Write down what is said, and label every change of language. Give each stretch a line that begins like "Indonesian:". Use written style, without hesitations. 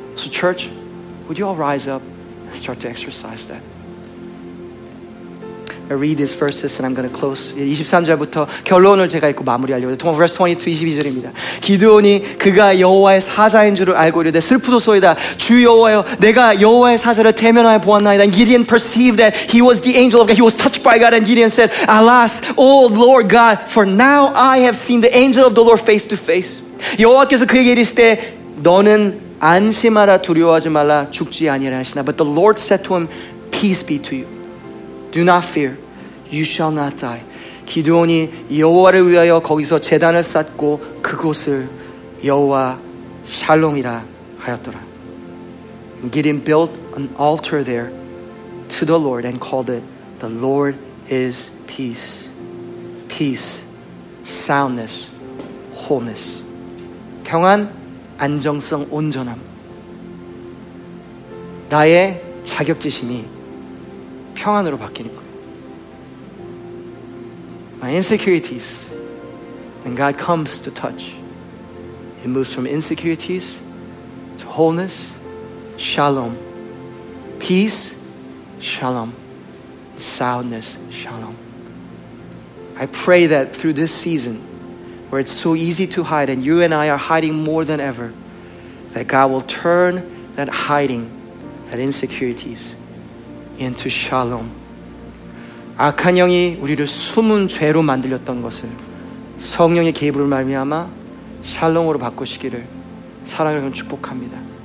English: So church, would you all rise up and start to exercise that? I read these verses and I'm going to close.
Korean: 23절부터 결론을 제가 읽고 마무리하려고요.
English: Verse 22,
Korean: 22절입니다. 기드온이 그가 여호와의 사자인 줄을 알고 이르되 슬프도소이다. 주 여호와여 내가 여호와의 사자를 대면하여 보았나이다.
English: And Gideon perceived that he was the angel of God. He was touched by God. And Gideon said, Alas, O Lord God, for now I have seen the angel of the Lord face to face.
Korean: 여호와께서 그에게 이르시되 너는 안심하라 두려워하지 말라 죽지 아니하라 하시나.
English: But the Lord said to him, Peace be to you. Do not fear. You shall not die.
Korean: 기드온이 여호와를 위하여 거기서 제단을 쌓고 그곳을 여호와 샬롬이라 하였더라.
English: Gideon built an altar there to the Lord and called it, The Lord is peace. Peace, soundness, wholeness.
Korean: 평안, 안정성, 온전함. 나의 자격지심이 평안으로 바뀌는 거예요.
English: My insecurities, when God comes to touch, it moves from insecurities to wholeness, shalom. Peace, shalom. Soundness, shalom. I pray that through this season, where it's so easy to hide and you and I are hiding more than ever, that God will turn that hiding, that insecurities, into shalom.
Korean: 악한 영이 우리를 숨은 죄로 만들었던 것을 성령의 개입으로 말미암아 샬롬으로 바꾸시기를 사랑하는 축복합니다.